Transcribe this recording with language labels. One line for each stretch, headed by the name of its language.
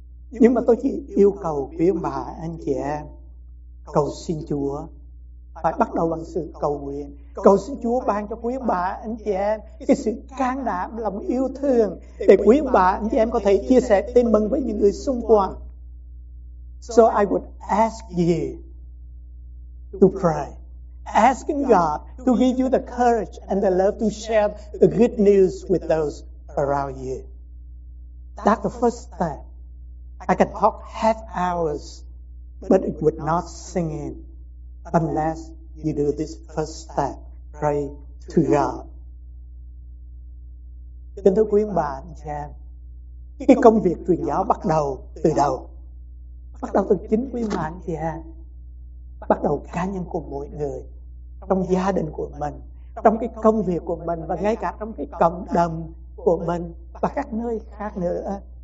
Vietnamese: Nhưng mà tôi chỉ yêu cầu quý ông bà, anh chị em cầu xin Chúa, phải bắt đầu bằng sự cầu nguyện. Cầu xin Chúa ban cho quý ông bà, anh chị em cái sự can đảm, lòng yêu thương để quý ông bà, anh chị em có thể chia sẻ tin mừng với những người xung quanh.
English: So I would ask you to pray, asking God to give you the courage and the love to share the good news with those around you. That's the first step. I can talk half hours, but it would not sink in unless you do this first step. Pray to God.
Vietnamese: Kính thưa quý ông bà, anh chị em, cái công việc truyền giáo bắt đầu từ đâu? Bắt đầu từ chính quý ông bà, anh chị em. Bắt đầu cá nhân của mỗi người, trong gia đình của mình, trong cái công việc của mình, và ngay cả trong cái cộng đồng của mình và các nơi khác nữa.